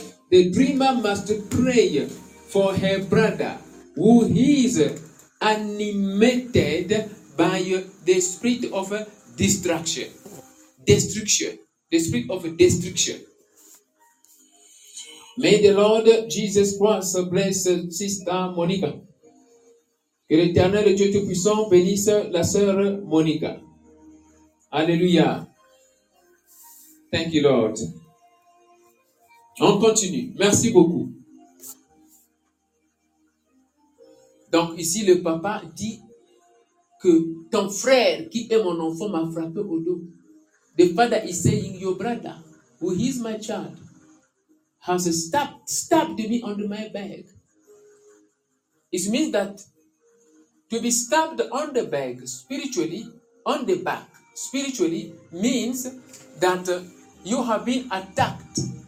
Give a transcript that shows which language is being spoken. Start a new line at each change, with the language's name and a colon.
English: The dreamer must pray for her brother who is animated by the spirit of destruction. Destruction. The spirit of destruction. May the Lord Jesus Christ bless Sister Monica.
French: Que l'Éternel Dieu Tout-Puissant bénisse la sœur Monica. Alléluia.
English: Thank you, Lord.
French: On continue. Merci beaucoup. Donc ici, le papa dit que ton frère qui est mon enfant m'a frappé au dos.
English: The father is saying, your brother, who is my child, has stabbed me under my bag. It means that to be stabbed on the bag spiritually, on the back spiritually, means that you have been attacked.